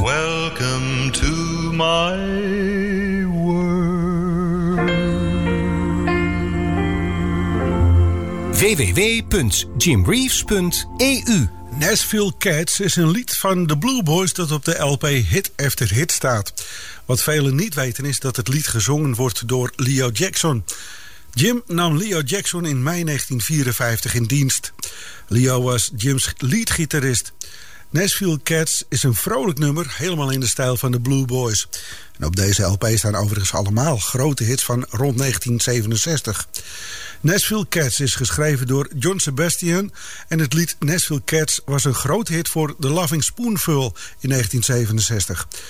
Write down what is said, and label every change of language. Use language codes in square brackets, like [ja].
[en] Welcome to my world. www.jimreeves.eu. [nl] Nashville Cats is een lied van de Blue Boys dat op de LP hit after hit staat. Wat velen niet weten is dat het lied gezongen wordt door Leo Jackson. Jim nam Leo Jackson in mei 1954 in dienst. Leo was Jim's leadgitarist. Nashville Cats is een vrolijk nummer, helemaal in de stijl van de Blue Boys. En op deze LP staan overigens allemaal grote hits van rond 1967. Nashville Cats is geschreven door John Sebastian en het lied Nashville Cats was een groot hit voor The Loving Spoonful in 1967.